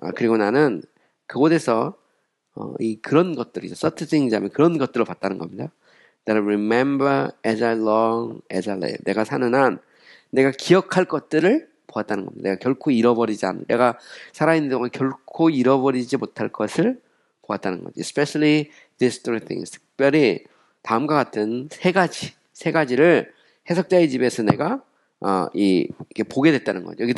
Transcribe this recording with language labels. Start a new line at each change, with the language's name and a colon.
Korean: 그리고 나는 그곳에서, 그런 것들이죠.
English: such things
Korean: 하면 그런 것들을 봤다는 겁니다.
English: That I remember as I long as I live.
Korean: 내가 사는 한, 내가 기억할 것들을 보았다는 겁니다. 내가 결코 잃어버리지 않, 내가 살아있는 동안 결코 잃어버리지 못할 것을 보았다는 거죠.
English: Especially these three things.
Korean: 특별히 다음과 같은 세 가지. 세 가지를 해석자의 집에서 내가 이렇게 보게 됐다는 거죠.